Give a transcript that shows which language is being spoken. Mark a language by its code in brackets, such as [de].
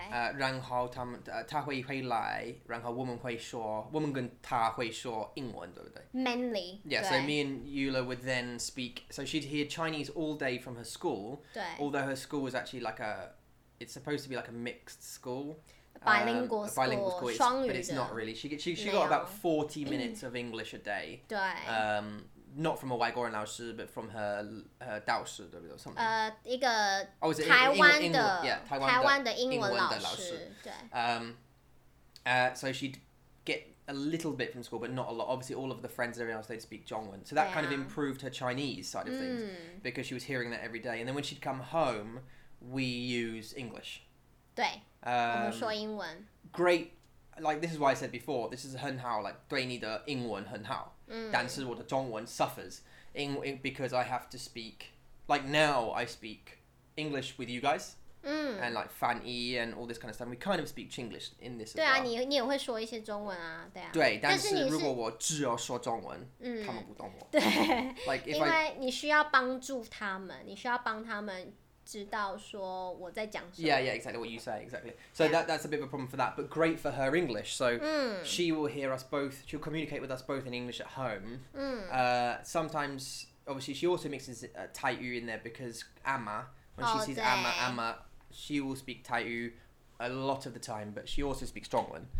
[zh] 然后他们他会回来然后我们会说我们跟他会说英文对不对 [en] mainly yeah so me and Eula would then speak so she'd hear Chinese all day from her school [zh] 对 [en] although her school was actually like a it's supposed to be like a mixed school bilingual school, bilingual school [zh] 双语的 [en] but it's not really she got about 40 minutes of English a day [zh] 对 [en] Not from a [zh] 外国人老师 [en] but from her [zh] 导师对不对 [en] something. [zh] 一个 [en] oh, is it [zh] 台湾的 [en] yeah, [zh] 台湾的英文老师, 老师对。 [en] So she'd get a little bit from school, but not a lot. Obviously, all of the friends and everyone else they'd speak 中文 so that、 yeah. kind of improved her Chinese side of things、 mm. because she was hearing that every day. And then when she'd come home, we use English. [zh] 对，我们说英文。 [en] Great, like this is why I said before. This is 很好 like [zh] 对你的英文很好。嗯、但是我的中文 [en] suffers in because I have to speak like now I speak English with you guys、 [zh] 嗯、 [en] and like fan yi and all this kind of stuff. We kind of speak Chinglish in this as [zh] 对啊, [en] well. [zh] 你也会说一些中文啊, 对啊。对,但是如果我只要说中文, 他们不懂我。对,因为你需要帮助他们, 你需要帮他们知道说我在讲什么。 [en] Yeah, yeah, exactly what you say, exactly. So yeah. that's a bit of a problem for that, but great for her English. So she will hear us both, she'll communicate with us both in English at home. Sometimes, obviously, she also mixes Tai Yu in there because Amma, when she sees Amma, she will speak Tai Yu a lot of the time, but she also speaks Zhongwen.